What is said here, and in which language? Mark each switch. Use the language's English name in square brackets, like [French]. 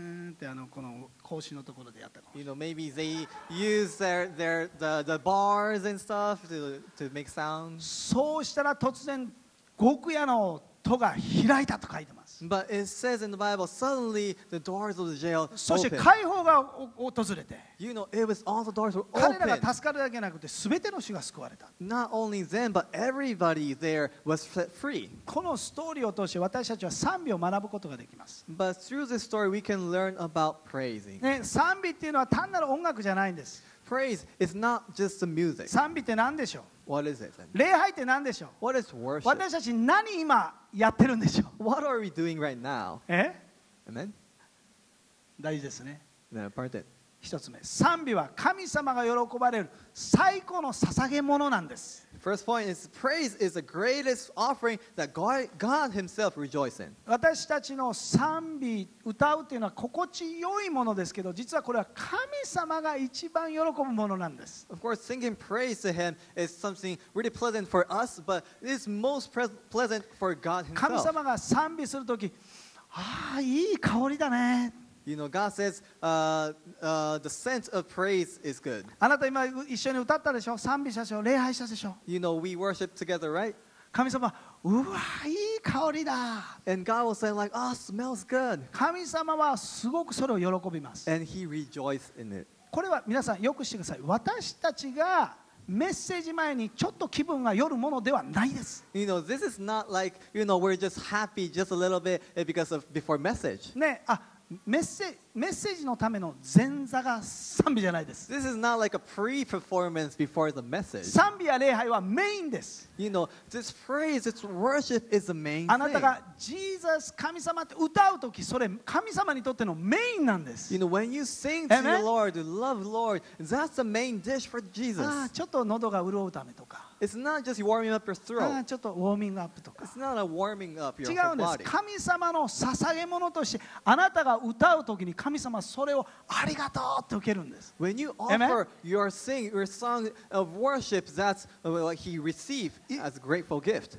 [Japanese] ってあのこの格子のところでやったかもしれない。 [English] You know, maybe they use the bars and stuff to make sound. [Japanese] そうしたら突然獄屋の戸が開いたと書いてます。 [English] But it says in the Bible, suddenly the doors of the jail opened. [Japanese] そして解放が訪れて。 [English] You know, it was all the doors were open. [Japanese] 彼らが助かるだけなくて、すべての主が救われた。 [English] Not only them, but everybody there was set free. [Japanese] このストーリーを通して私たちは賛美を学ぶことができます。 [English] But through this story, we can learn about praising. [Japanese] ね、賛美っていうのは単なる音楽じゃないんです。 [English] Praise is not just the music. [Japanese] 賛美って何でしょう? [English] What is it? [Japanese] 礼拝って何でしょう? [English] What is worship? [Japanese] 私たち何今やってるんでしょう? [English] What are we doing right now? [Japanese] え? [English] Amen? [Japanese] 大事ですね。 [English] No, pardon. [Japanese] 一つ目、賛美は神様が喜ばれる最高の捧げ物なんです。 [English] First point is praise is the greatest offering that God himself rejoices in. [Japanese] 私たちの賛美、歌うっていうのは心地よいものですけど、実はこれは神様が一番喜ぶものなんです。 [English] Of course, singing praise to him is something really pleasant for us, but it is most pleasant for God himself. [Japanese] 神様が賛美するとき、ああ、いい香りだね。 [English] You know, God says, the scent of praise is good. [Japanese] あなた今一緒に歌ったでしょ、賛美したでしょ、礼拝したでしょ。 [English] You know, we worship together, right? [Japanese] 神様、うわ、いい香りだ。 [English] And God will say, like, oh, smells good. [Japanese] 神様はすごくそれを喜びます。 [English] And he rejoices in it. [Japanese] これは皆さんよくしてください。私たちがメッセージ前にちょっと気分が寄るものではないです。 [English] You know, this is not like, you know, we're just happy just a little bit because of before message. [Japanese] ね、あ、メッセージのための前座が賛美じゃないです。 [English] This is not like a pre-performance before the message. [Japanese] 賛美や礼拝はメインです。 [English] You know, this phrase, this worship is the main thing. [Japanese] あなたがジーザス神様って歌うとき、それ神様にとってのメインなんです。 [English] You know, when you sing to the Lord, you love the Lord, that's the main dish for Jesus. [Japanese] あ、ちょっと喉が潤うためとか。 [English] It's not just warming up your throat. [Japanese] ちょっとウォーミングアップとか。 [English] It's not a warming up your whole body. [Japanese] 違うんです。神様の捧げ物としてあなたが歌うときに神様それをありがとうって受けるんです。 [English] When you offer your sing, your song of worship, that's what he receives as a grateful gift.